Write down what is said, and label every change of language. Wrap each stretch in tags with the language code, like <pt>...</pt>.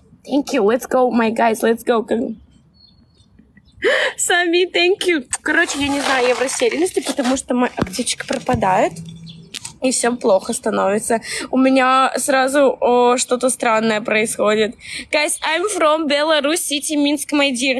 <en>Thank you, let's go, my guys, let's go.</en> <ru>Сами,</ru> <en>thank you.</en> <ru>Короче, я не знаю, я в растерянности, потому что моя аптечка пропадает. И всем плохо становится. У меня сразу что-то странное происходит.</ru> <en>Guys, I'm from Belarus City, Minsk, my dear.</en>